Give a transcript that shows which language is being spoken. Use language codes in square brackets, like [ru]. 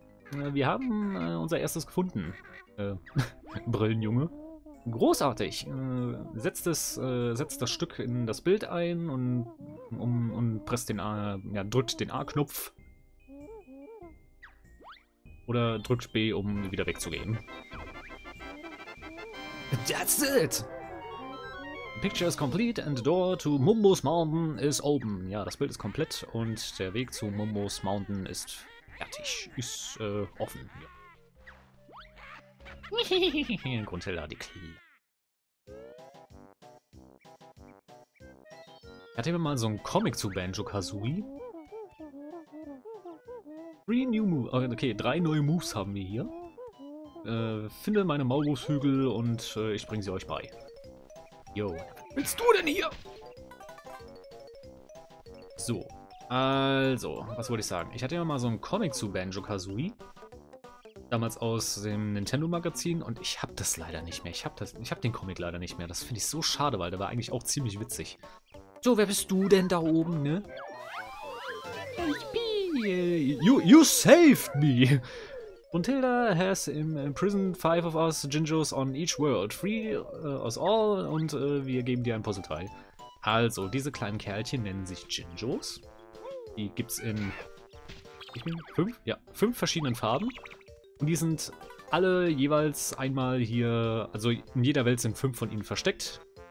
[de] Wir haben unser erstes gefunden. Brillenjunge. Großartig! Setzt das Stück in das Bild ein und presst den A, ja, drückt den A-Knopf. Oder drückt B, um wieder wegzugehen. [en] That's it! Picture is complete and the door to Mumbo's Mountain is open. [de] Ja, das Bild ist komplett und der Weg zu Mumbo's Mountain ist fertig. Ist offen. Ja. Grundhilda, die Klee. Ich hatte immer mal so einen Comic zu Banjo-Kazooie. [en] Three new moves. [de] Okay, drei neue Moves haben wir hier. Finde meine Maulwurfshügel und ich bringe sie euch bei. Yo. Willst du denn hier? So. Also, was wollte ich sagen? Ich hatte ja mal so einen Comic zu Banjo-Kazooie. Damals aus dem Nintendo-Magazin. Und ich habe das leider nicht mehr. Ich habe den Comic leider nicht mehr. Das finde ich so schade, weil der war eigentlich auch ziemlich witzig. So, wer bist du denn da oben, ne? Ich bin [en] You saved me! Brunhilde has imprisoned 5 of us Gingos on each world. 3 us all [de] und wir geben dir ein Puzzleteil. Also, diese kleinen Kerlchen nennen sich Gingos. Die gibt's in 5? Ja, 5 verschiedenen Farben. Und die sind alle jeweils einmal hier, also in jeder Welt sind 5 von ihnen versteckt.